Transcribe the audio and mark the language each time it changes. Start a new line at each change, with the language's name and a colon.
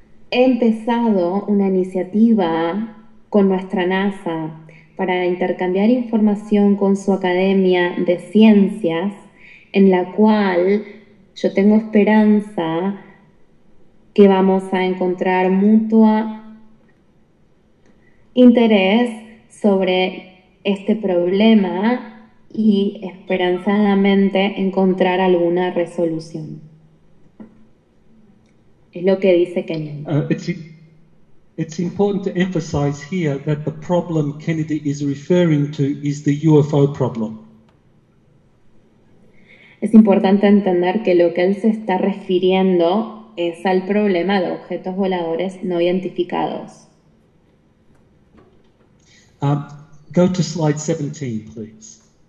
Spanish: He empezado una iniciativa con nuestra NASA para intercambiar información con su Academia de Ciencias, en la cual yo tengo esperanza que vamos a encontrar mutuo interés sobre este problema y esperanzadamente encontrar alguna resolución. Es lo que dice Kennedy.
English: It's important to emphasize here that the problem Kennedy is referring to is the UFO problem.
Spanish: Es importante entender que lo que él se está refiriendo es al problema de objetos voladores no identificados.
English: Go to slide 17, please.